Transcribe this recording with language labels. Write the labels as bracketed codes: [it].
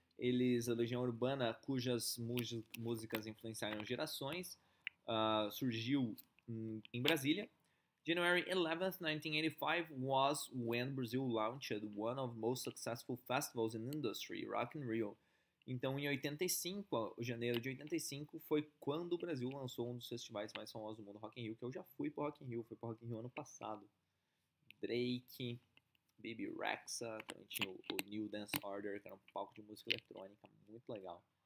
[pt] Eles, a Legião Urbana, cujas músicas influenciaram gerações, surgiu em Brasília. [en] January 11th, 1985 was when Brazil launched one of the most successful festivals in industry, Rock in Rio. [pt] Então, em 85, janeiro de 85, foi quando o Brasil lançou um dos festivais mais famosos do mundo, Rock in Rio, que eu já fui pro Rock in Rio, fui pro Rock in Rio ano passado. Drake, Bibi Rexha, também tinha o New Dance Order, que era um palco de música eletrônica, muito legal.